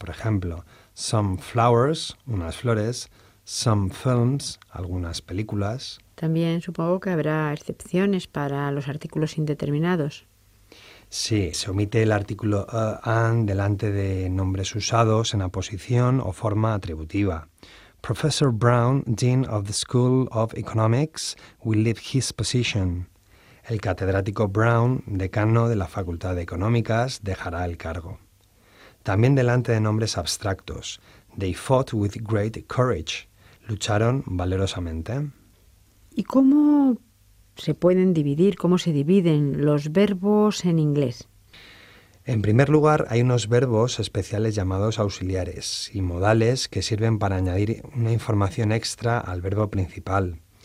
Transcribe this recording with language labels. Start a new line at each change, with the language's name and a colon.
Spanish: Por ejemplo,
English: some flowers,
Spanish: unas flores,
English: some films,
Spanish: algunas películas. También supongo que habrá excepciones para los artículos indeterminados. Sí, se omite el artículo an delante de nombres usados en aposición o forma atributiva.
English: Professor Brown, Dean of the School of Economics, will leave his position.
Spanish: El catedrático Brown, decano de la Facultad de Económicas, dejará el cargo. También delante de nombres abstractos.
English: They fought with great courage.
Spanish: Lucharon valerosamente. ¿Y cómo se pueden dividir, cómo se dividen los verbos en inglés? En primer lugar, hay unos verbos especiales llamados auxiliares y modales que sirven para añadir una información extra al verbo principal.